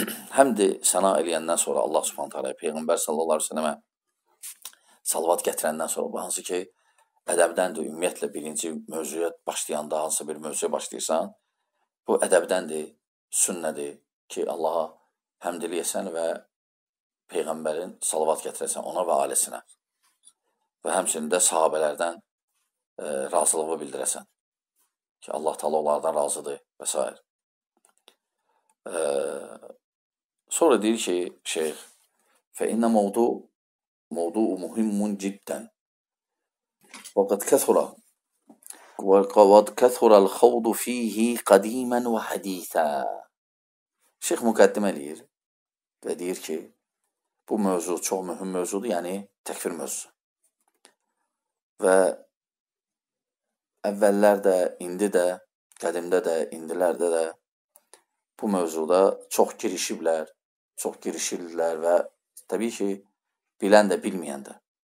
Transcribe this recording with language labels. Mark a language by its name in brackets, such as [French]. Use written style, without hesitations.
[Azerbaijani] Hamdi sana eleyenden sonra Allah subhanahu aleyhi ve peygamber sallallahu aleyhi ve selleme salavat getirenden sonra, bu hansı ki, ədəbdəndir, ümumiyyətlə birinci mövzuya başlayanda, hansı bir mövzuya başlayırsan, bu ədəbdəndir, sünnədir ki, Allaha həmd eləyəsən və Peyğəmbərin salavat gətirəsən ona və ailəsinə və həmçinin də sahabələrdən razılığı bildirəsən ki, Allah Taala onlardan razıdır və s. Sonra deyir ki, şeyx, [Arabic] fəinnə mövdu muhimmun ciddən. وقد كثر الخوض فيه قديما وحديثا. [Azerbaijani] شيخ مقدم الير deyir ki, bu mövzu çox mühüm mövzudur, yəni təkfir mövzusu. Və əvvəllər də, indi də, qədimdə də, indilərdə də bu mövzuda çox girişiblər, çox girişirlər və təbii ki, bilən də, bilməyən də.